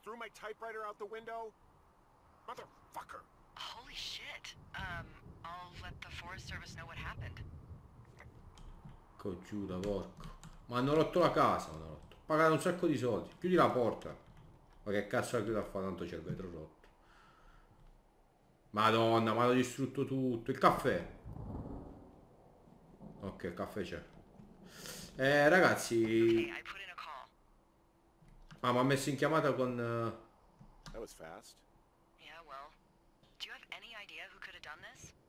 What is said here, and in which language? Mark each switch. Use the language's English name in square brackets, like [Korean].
[English] Threw my typewriter out the window. Motherfucker. Holy shit. I'll let the Forest Service know what happened. [Italian] Ecco giù da porco. Ma hanno rotto la casa, hanno rotto. Pagano un sacco di soldi. Chiudi la porta. Ma che cazzo la chiuda a fare, tanto c'è il vetro rotto. Madonna, ma l'ho distrutto tutto. Il caffè. Ok, il caffè c'è. Ragazzi. Ah, mi ha messo in chiamata con. [English] That was fast. Yeah, well. Do you have any idea who could have done this?